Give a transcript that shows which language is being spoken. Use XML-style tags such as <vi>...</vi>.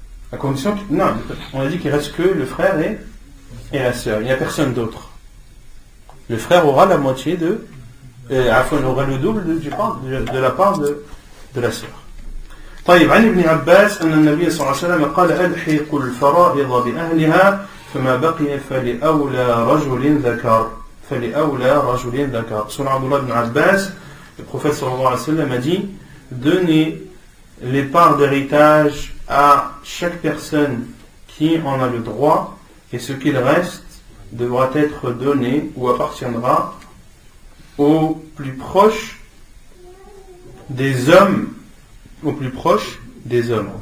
<fr>À condition que, non, on a dit qu'il reste que le frère et la sœur. Il n'y a personne d'autre. Le frère aura la moitié de... Afin, aura le double de la part de la sœur.</fr> <ar>طيب عن ابن عباس أن النبي صلى الله عليه وسلم قال ألحق الفرائض بأهلها فما بقي فلأولى رجل ذكر فلأولى رجل ذكر. سنة عبد الله بن عباس النبي صلى الله عليه وسلم</ar> <fr>dit donnez les parts d'héritage à chaque personne qui en a le droit et ce qu'il reste devra être donné ou appartiendra au plus proche des hommes, au plus proche des hommes.</fr>